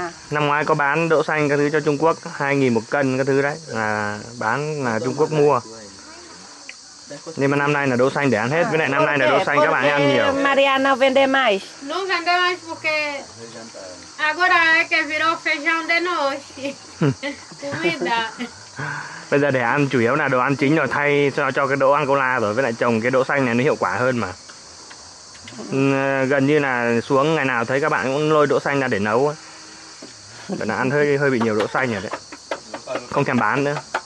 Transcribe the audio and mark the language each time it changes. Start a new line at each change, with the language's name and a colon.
Vietnamese: Năm ngoái có bán đậu xanh các thứ cho Trung Quốc 2.000 một cân các thứ đấy. Là bán là Trung Quốc mua. Nhưng mà năm nay là đậu xanh để ăn hết. Với lại năm nay là đậu xanh các bạn ăn nhiều.
Portuguese: Mariana vende mais. Não vende mais porque agora é que virou feijão de noite.
Vietnamese: Bây giờ để ăn chủ yếu là đồ ăn chính rồi, thay cho cái đỗ ăn cô la rồi, với lại trồng cái đỗ xanh này nó hiệu quả hơn mà. Gần như là xuống ngày nào thấy các bạn cũng lôi đỗ xanh ra để nấu á. Vậy là ăn hơi bị nhiều đỗ xanh rồi đấy. Không thèm bán nữa.